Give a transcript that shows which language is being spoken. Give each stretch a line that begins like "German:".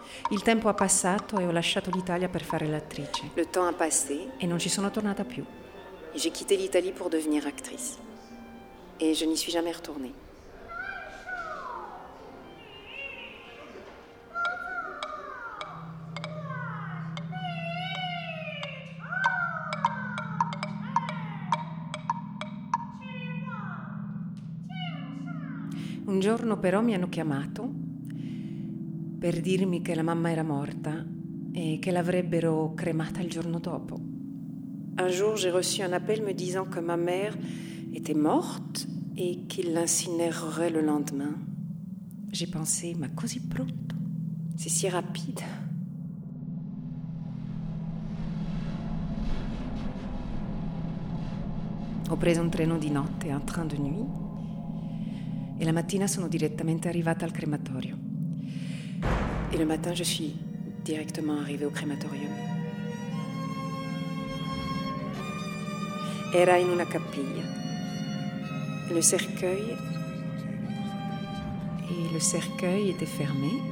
Italian: Il tempo ha passato e ho lasciato l'Italia per fare l'attrice.
French: Le temps a passé
Italian: e non ci sono tornata più.
French: J'ai quitté l'Italie pour devenir actrice. Et je n'y suis jamais retournée.
Italian: Un giorno però mi hanno chiamato per dirmi che la mamma era morta e che l'avrebbero cremata il giorno dopo.
French: Un jour j'ai reçu un appel me disant que ma mère était morte et qu'il l'incinérerait le lendemain. J'ai pensé,
Italian: ma così pronto?
French: C'est si rapide.
Italian: Ho preso un treno di notte,
French: un train de nuit,
Italian: e la mattina sono direttamente arrivata al crematorio.
French: Et le matin, je suis directement arrivée au crématorium.
Italian: Era in una capilla.
French: Le cercueil était fermé.